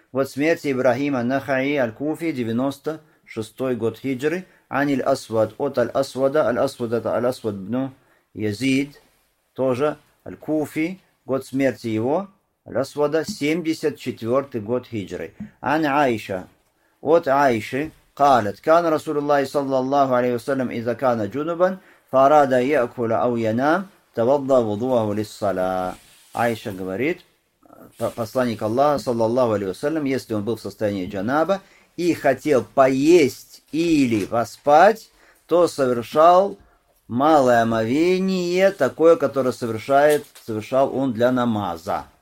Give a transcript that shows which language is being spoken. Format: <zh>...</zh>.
<ru>Год смерти Ибрахима, Ан-Нахаи, Аль-Куфи, 96 год хиджры. Ани аль-Асвад, от аль-Асвада, аль-Асвад это аль-Асвад ибн Язид, тоже аль-Куфи, год смерти его, аль-Асвада, 74-й год хиджры.</ru> <ar>Ани Аиша,</ar> <ru>от Аиши,</ru> <ar>قالت, كان رسول الله صلى الله عليه وسلم إذا كان جنبا فأراد يأكل أو ينام توضأ وضوءه للصلاة.</ar> <ru>Аиша говорит, посланник Аллаха,</ru> <ar>صلى الله عليه وسلم,</ar> <ru>если он был в состоянии джанаба и хотел поесть или поспать, то совершал малое омовение, такое, которое совершал он для намаза.</ru>